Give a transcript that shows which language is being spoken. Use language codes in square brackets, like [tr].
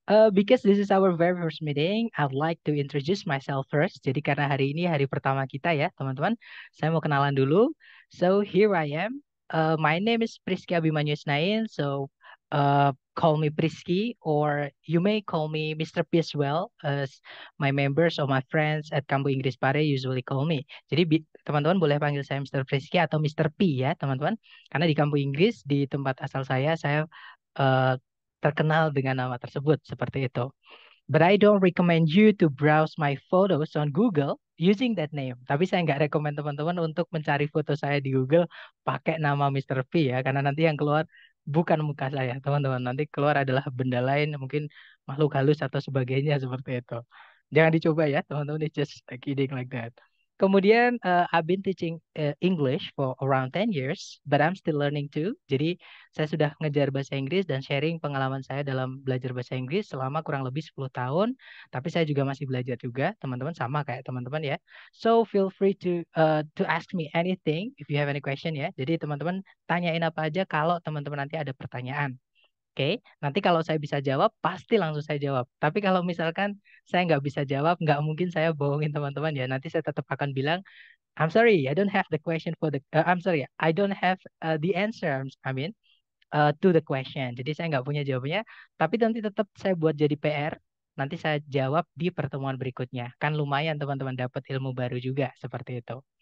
[en] Because this is our very first meeting, I'd like to introduce myself first. [id] Jadi karena hari ini hari pertama kita ya, teman-teman, saya mau kenalan dulu. [en] So here I am. My name is Priska Bimanyusnain. So call me Prisky, or you may call me Mr. P as well, as my members or my friends at Kampu Inggris Pare usually call me. [id] Jadi teman-teman boleh panggil saya Mr. Prisky atau Mr. P ya, teman-teman. Karena di Kampu Inggris, di tempat asal saya terkenal dengan nama tersebut, seperti itu. [en] But I don't recommend you to browse my photos on Google using that name. [id] Tapi saya nggak rekomend teman-teman untuk mencari foto saya di Google pakai nama Mr. P ya, karena nanti yang keluar bukan muka saya, teman-teman. Nanti keluar adalah benda lain, mungkin makhluk halus atau sebagainya, seperti itu. Jangan dicoba ya, teman-teman. [en] It's just kidding like that. [id] Kemudian, [en] I've been teaching English for around 10 years, but I'm still learning too. [id] Jadi, saya sudah ngejar bahasa Inggris dan sharing pengalaman saya dalam belajar bahasa Inggris selama kurang lebih 10 tahun. Tapi saya juga masih belajar juga, teman-teman, sama kayak teman-teman ya. [en] So, feel free to ask me anything if you have any question ya. [id] Jadi, teman-teman, tanyain apa aja kalau teman-teman nanti ada pertanyaan. Oke, okay. Nanti kalau saya bisa jawab, pasti langsung saya jawab. Tapi kalau misalkan saya nggak bisa jawab, nggak mungkin saya bohongin teman-teman ya. Nanti saya tetap akan bilang, [en] I'm sorry, I don't have the question for the... I'm sorry, I don't have the answer, I mean, to the question. [id] Jadi saya nggak punya jawabannya. Tapi nanti tetap saya buat jadi PR. Nanti saya jawab di pertemuan berikutnya. Kan lumayan teman-teman dapat ilmu baru juga, seperti itu.